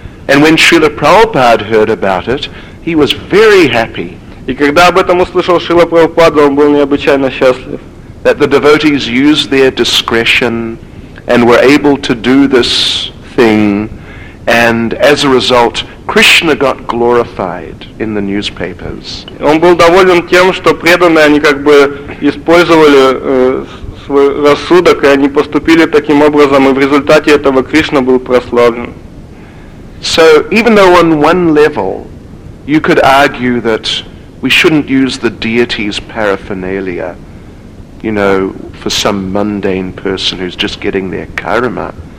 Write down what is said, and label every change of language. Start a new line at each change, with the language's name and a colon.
English: And when Srila Prabhupada heard about it, he was very happy.
Russian: И когда об этом услышал Шрила Прабхупада, он был необычайно счастлив.
English: That the devotees used their discretion and were able to do this thing, and as a result, Krishna got glorified in the newspapers.
Russian: Он был доволен тем, что преданные они как бы использовали свой рассудок, и они поступили таким образом, и в результате этого Кришна был прославлен.
English: So even though on one level you could argue that we shouldn't use the deity's paraphernalia, you know, for some mundane person who's just getting their karma.